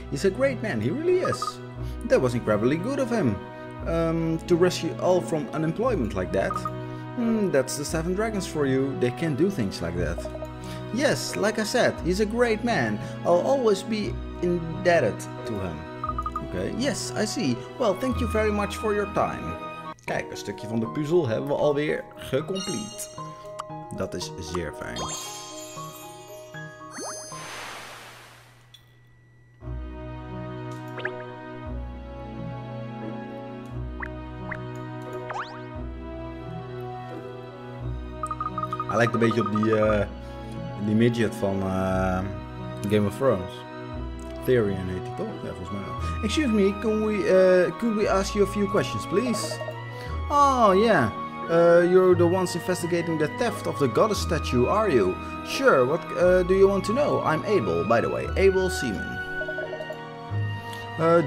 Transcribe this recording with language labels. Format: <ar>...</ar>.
<en>He's a great man, he really is. That was incredibly good of him, to rescue all from unemployment like that. That's the Seven Dragons for you, they can do things like that. Yes, like I said, he's a great man. I'll always be indebted to him. Okay. Yes, I see. Well, thank you very much for your time.</en> <nl>Kijk, een stukje van de puzzel hebben we alweer gecomplete. Dat is zeer fijn. Hij lijkt een beetje op die midget van Game of Thrones. Therion heet die toch? Ja, volgens mij wel.</nl> <en>Excuse me, could we ask you a few questions, please? Oh, yeah. You're the ones investigating the theft of the goddess statue, are you? Sure, what do you want to know? I'm Abel, by the way. Abel Seaman.</en>